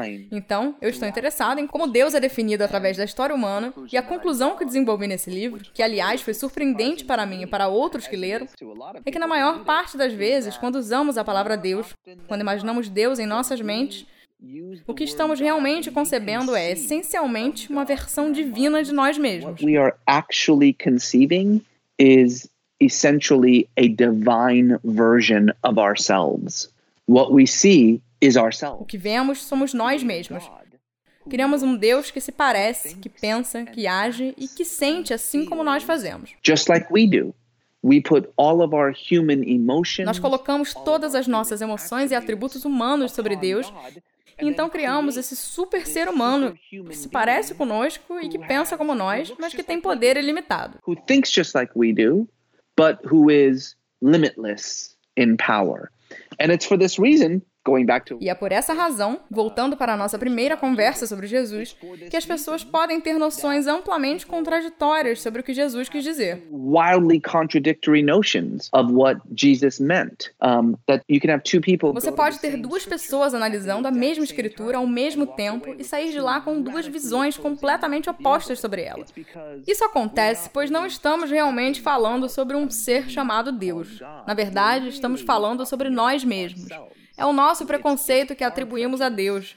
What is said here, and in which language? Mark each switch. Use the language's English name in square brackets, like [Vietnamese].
[Portuguese] Então, eu estou interessado em como Deus é definido através da história humana, e a conclusão que desenvolvi nesse livro, que aliás foi surpreendente para mim e para outros que leram, é que na maior parte das vezes, quando usamos a palavra Deus, quando imaginamos Deus em nossas mentes, o que estamos realmente concebendo é essencialmente uma versão divina de nós mesmos. [English] What we are actually conceiving is essentially a divine version of ourselves. What we see is ourselves. [Portuguese] O que vemos somos nós mesmos. Criamos um Deus que se parece, que pensa, que age e que sente assim como nós fazemos. [English] Just like we do. We put all of our human emotions. [Portuguese] Nós colocamos todas as nossas emoções e atributos humanos sobre Deus. E então criamos esse super ser humano que se parece conosco e que pensa como nós, mas que tem poder ilimitado. [English] Who thinks just like we do, but who is limitless in power. And it's for this reason. [Portuguese] E é por essa razão, voltando para a nossa primeira conversa sobre Jesus, que as pessoas podem ter noções amplamente contraditórias sobre o que Jesus quis dizer. [English] Wildly contradictory notions of what Jesus meant. That you can have two people. [Portuguese] Você pode ter duas pessoas analisando a mesma escritura ao mesmo tempo e sair de lá com duas visões completamente opostas sobre ela. Isso acontece pois não estamos realmente falando sobre um ser chamado Deus. Na verdade, estamos falando sobre nós mesmos. É o nosso preconceito que atribuímos a Deus.